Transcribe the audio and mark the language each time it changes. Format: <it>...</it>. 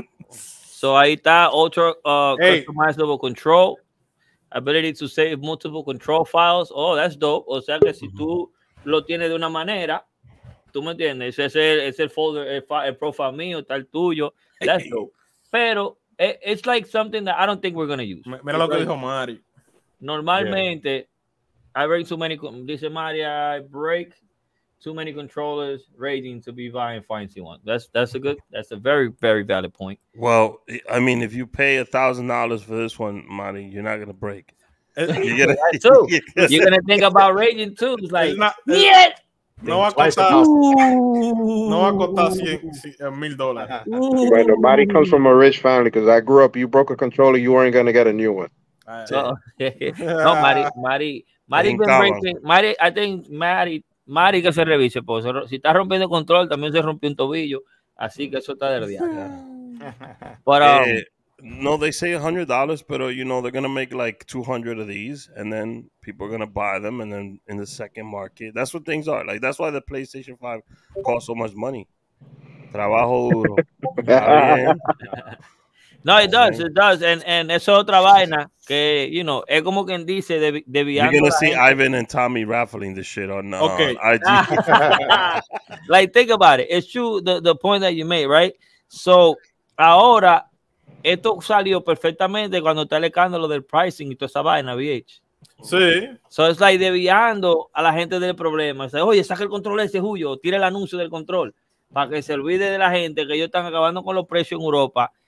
<es>So ahí está Ultra Customizable Control.</es> <en>Ability to save multiple control files. Oh, that's dope.</en> <es>O sea que si tú lo tienes de una manera, tú me entiendes. Ese es el folder, el profile mío, está el tuyo.</es> <en>That's dope. Pero it's like something that I don't think we're going to use.</en> <es>Mira lo que dijo Mari.</es> <en>Normalmente, yeah. I break too many,</en> <es>dice Mari,</es> <en>I break too many controllers rating to be buying fancy one. That's a very, very valid point. Well, I mean, if you pay $1,000 for this one, Monty, you're not going to break. You're going to think about rating too. It's like, yeah!</en> <es>No va a costar. No va a costar $1,000.</es> <en>Right, nobody comes from a rich family because I grew up, you broke a controller, you weren't going to get a new one.</en> <es>No, Mari, que se revise, pues. Si está rompiendo control, también se rompió un tobillo. Así que eso está del diablo.</es> <en>Pero, no, they say $100, pero, you know, they're going to make like 200 of these, and then people are going to buy them, and then in the second market. That's what things are. Like, that's why the PlayStation 5 costs so much money.</en> <es>Trabajo duro.</es> <en>No, it does, it does. And</en> <es>es otra vaina que,</es> <en>you know,</en> <es>es como quien dice de viando.</es> <en>You're going to see Ivan and Tommy raffling this shit on, okay. On IG. Like, think about it. It's true, the point that you made, right?</en> <es>So, ahora, esto salió perfectamente cuando está el escándalo del pricing y toda esa vaina, VH. Sí. So,</es> <en>it's like</en> <es>desviando a la gente del problema. O sea, oye, saca el control ese, Julio. Tira el anuncio del control para que se olvide de la gente que ellos están acabando con los precios en Europa.</es>